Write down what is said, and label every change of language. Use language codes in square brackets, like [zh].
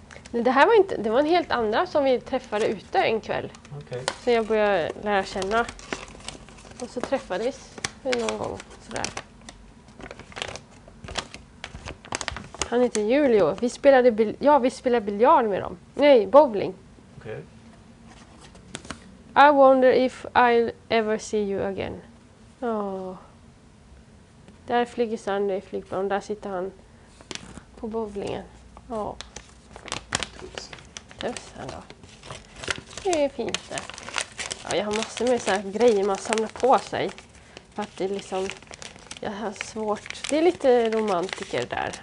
[sv] Nej, det här var inte, det var en helt andra som vi träffade ute en kväll. Okej. Okay. Så jag började lära känna. Och så träffades vi någon gång sådär. Han heter Julio. Vi spelade biljard med dem. Nej, bowling. Okej. [en] Okay. I wonder if I'll ever see you again. [sv] Där flyger Sandra i flygplan. Där sitter han på bowlingen. Ja. Tusen då. Det är fint det. Ja, jag har massor med så här grejer man samlar på sig. För att det är liksom, jag har svårt. Det är lite romantiker där.